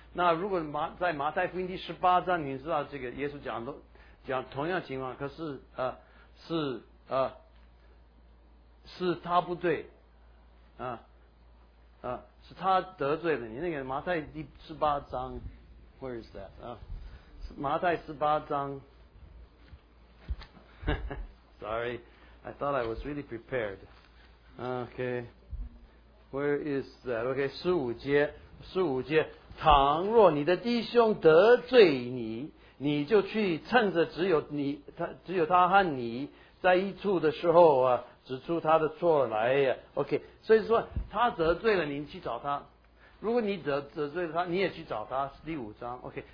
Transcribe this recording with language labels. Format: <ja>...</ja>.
<zh>那如果在马太福音第十八章，你知道这个耶稣讲同样情况，可是是他不对，是他得罪了你。那个马太第十八章 ，</zh> <en>Where is that？</en> <zh>马太十八章，</zh> <en>Sorry， I thought I was really prepared. Okay, where is that?</en> <zh>Okay， 十五节，倘若你的弟兄得罪你，你就去趁着只有他和你在一处的时候啊，指出他的错来呀。 Okay， 所以说他得罪了你，你去找他。如果你得罪了他，你也去找他。第五章 ，OK。</zh>